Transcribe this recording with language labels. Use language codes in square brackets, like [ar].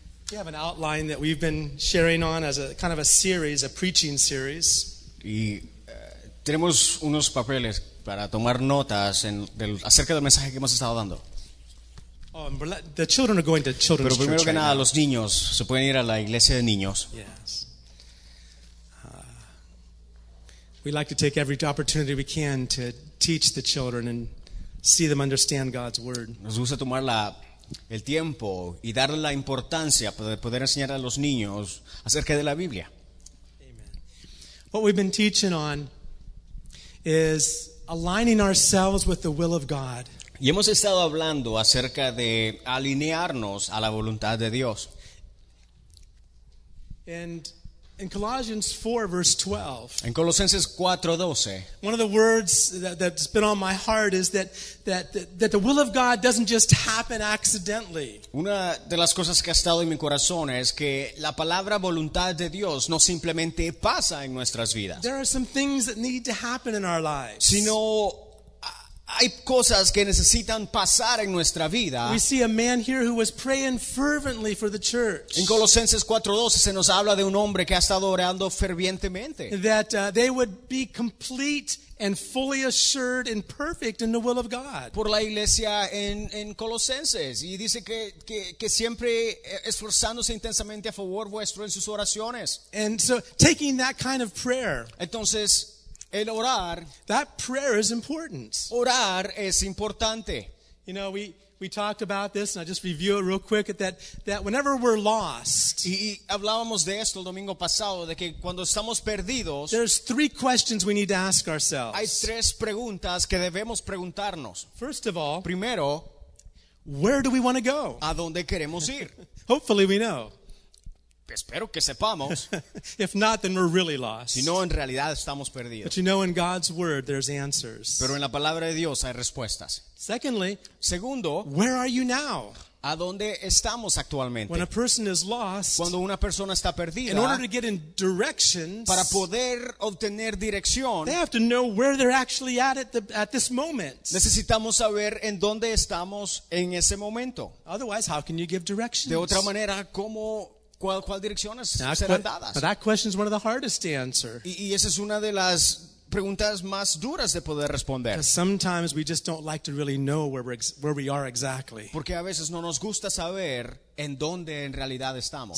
[en] We have an outline that we've been sharing on as a kind of a series, a preaching series. [es] Y tenemos unos papeles para tomar notas acerca del mensaje que hemos estado dando. [en] Oh, and the children are going to children's church. [es] Pero primero que nada, los niños se pueden ir a la iglesia de niños. [en] Yes. We like to take every opportunity we can to teach the children and see them understand God's word. [es] Nos gusta tomar el tiempo y darle la importancia para poder enseñar a los niños acerca de la Biblia. [en] Amen. What we've been teaching on is aligning ourselves with the will of God. [es] Y hemos estado hablando acerca de alinearnos a la voluntad de Dios. [en] And in Colossians 4, verse 12. [es] En Colosenses 4:12. [en] One of the words that's been on my heart is that the will of God doesn't just happen accidentally. [es] Una de las cosas que ha estado en mi corazón es que la palabra voluntad de Dios no simplemente pasa en nuestras vidas. [en] There are some things that need to happen in our lives. [es] Sino hay cosas que necesitan pasar en nuestra vida. [en] We see a man here who was praying fervently for the church. [es] En Colosenses 4:12 se nos habla de un hombre que ha estado orando fervientemente. [en] That they would be complete and fully assured and perfect in the will of God. [es] Por la iglesia en Colosenses, y dice que siempre esforzándose intensamente a favor vuestro en sus oraciones. [en] And so taking that kind of prayer. [es] Entonces el orar, [en] that prayer is important. [es] Orar es importante. [en] You know, we talked about this, and I'll just review it real quick, that whenever we're lost, [es] y hablábamos de esto el domingo pasado, de que cuando estamos perdidos, [en] there's three questions we need to ask ourselves. [es] Hay tres preguntas que debemos preguntarnos. [en] First of all, [es] primero, [en] where do we want to go? [es] ¿A dónde queremos ir? [en] Hopefully we know. [es] Espero que sepamos. [en] If not, then we're really lost. [es] Si no, en realidad estamos perdidos. [en] But you know, in God's word, there's answers. [es] Pero en la palabra de Dios hay respuestas. [en] Secondly, [es] segundo, [en] where are you now? [es] ¿A dónde estamos actualmente? [en] When a person is lost, [es] cuando una persona está perdida, [en] in order to get in directions, [es] para poder obtener dirección, [en] they have to know where they're actually at this moment. [es] Necesitamos saber en dónde estamos en ese momento. [en] Otherwise, how can you give directions? [es] De otra manera, ¿cómo ¿Cuál dirección serán dadas? [en] But that question is one of the hardest to answer. [es] Y esa es una de las preguntas más duras de poder responder. [en] Because sometimes we just don't like to really know where we are exactly. [es] Porque a veces no nos gusta saber en dónde en realidad estamos.